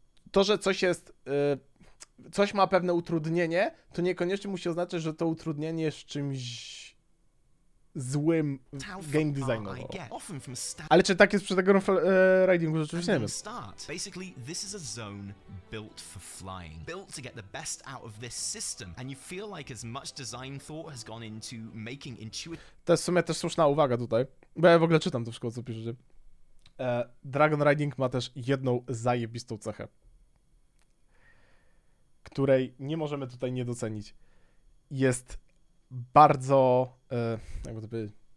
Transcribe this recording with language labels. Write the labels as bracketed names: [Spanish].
[Polish] To, że coś jest, coś ma pewne utrudnienie, to niekoniecznie musi oznaczać, że to utrudnienie jest czymś złym game designowo. Ale czy tak jest przy tego ridingu? Rzeczywiście nie wiem. [English] Basically, this is a zone built for flying. Built to get the best out of this system. And you feel like as much design thought has gone into making intuitive... [Polish] To jest w sumie też słuszna uwaga tutaj. Bo ja w ogóle czytam to wszystko, co piszecie. Dragon Riding ma też jedną zajebistą cechę, której nie możemy tutaj nie docenić. Jest bardzo... jakby to powiedzieć...